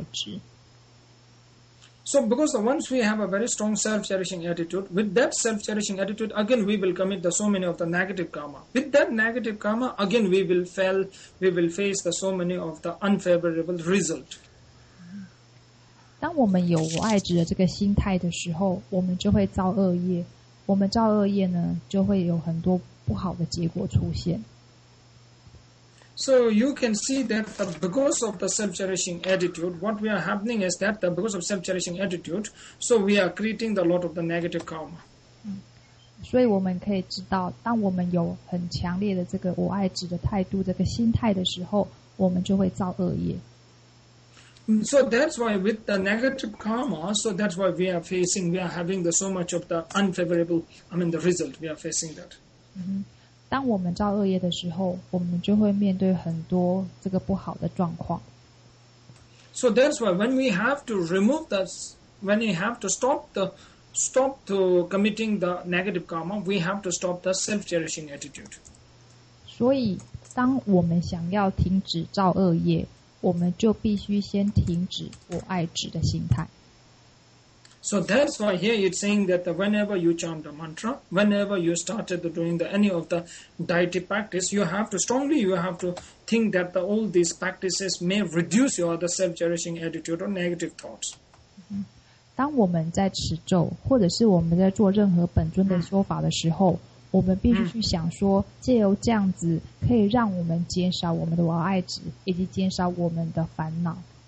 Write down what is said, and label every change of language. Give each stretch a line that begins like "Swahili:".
Chinese: 我们都要想，这一个我们所持的咒语呢，是有非常的威力，可以对治我们的我爱执。
English: So because once we have a very strong self-cherishing attitude, with that self-cherishing attitude, again we will commit the so many of the negative karma. With that negative karma, again we will fail, we will face the so many of the unfavorable result.
Chinese: 当我们有我爱执的这个心态的时候，我们就会造恶业。我们造恶业呢，就会有很多不好的结果出现。
English: So you can see that the, because of the self-cherishing attitude, what we are happening is that the, because of self-cherishing attitude, so we are creating a lot of the negative karma.
Chinese: 所以我们可以知道，当我们有很强烈的这个我爱执的态度，这个心态的时候，我们就会造恶业。
English: So that's why with the negative karma, so that's why we are facing, we are having the so much of the unfavorable, I mean the result, we are facing that.
Chinese: 当我们造恶业的时候，我们就会面对很多这个不好的状况。
English: So that's why when we have to remove the, when we have to stop the, stop to committing the negative karma, we have to stop the self-cherishing attitude.
Chinese: 所以当我们想要停止造恶业，我们就必须先停止我爱执的心态。
English: So that's why here it's saying that whenever you chant the mantra, whenever you started doing the, any of the deity practice, you have to strongly, you have to think that the, all these practices may reduce your the self-cherishing attitude or negative thoughts.
Chinese: 当我们在持咒，或者是我们在做任何本尊的说法的时候，我们必须去想说，借由这样子可以让我们减少我们的我爱执，以及减少我们的烦恼。